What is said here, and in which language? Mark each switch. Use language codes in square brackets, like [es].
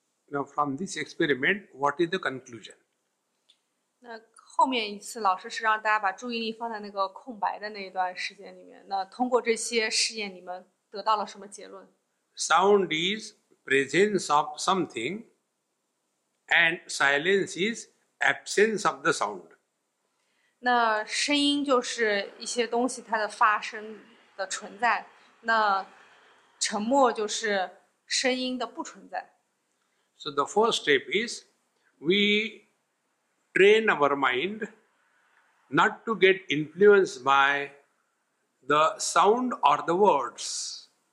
[en] Now, from this experiment, what is the conclusion? [zh] 后面一次老师是让大家把注意力放在那个空白的那一段时间里面。那通过这些试验，你们得到了什么结论？ [en] Sound is presence of something, and silence is absence of the sound. [zh] 那声音就是一些东西它的发生的存在，那沉默就是声音的不存在。 [en] So the first step is we train our mind not to get influenced by the sound or the words.